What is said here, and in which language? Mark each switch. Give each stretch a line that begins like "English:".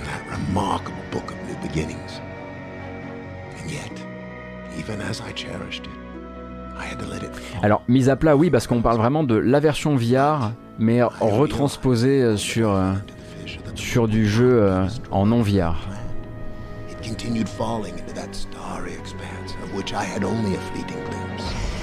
English: Remarkable book of new beginnings. And yet, even as I cherished it, I had to let it fall.
French: Alors, mise à plat, oui, parce qu'on parle vraiment de la version VR, mais retransposée sur du jeu en non-VR.
English: It continued falling into that starry expanse of which I had only a fleeting glimpse.